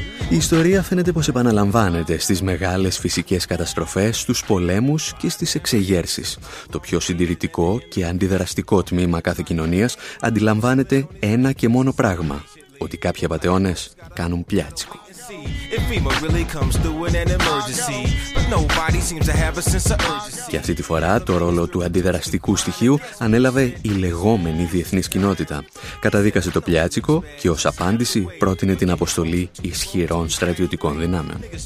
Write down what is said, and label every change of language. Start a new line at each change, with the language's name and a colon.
Greek: Η ιστορία φαίνεται πως επαναλαμβάνεται στις μεγάλες φυσικές καταστροφές, στους πολέμους και στις εξεγέρσεις. Το πιο συντηρητικό και αντιδραστικό τμήμα κάθε κοινωνίας αντιλαμβάνεται ένα και μόνο πράγμα, ότι κάποιοι απατεώνες κάνουν πιάτσικο.
English: see if FEMA really comes through in an emergency. But nobody seems to have a sense of urgency.
Greek: Και αυτή τη φορά το ρόλο του αντιδραστικού στοιχείου ανέλαβε η λεγόμενη διεθνής κοινότητα. Καταδίκασε το Πλιάτσικο και ως απάντηση πρότεινε την αποστολή ισχυρών στρατιωτικών δυνάμεων.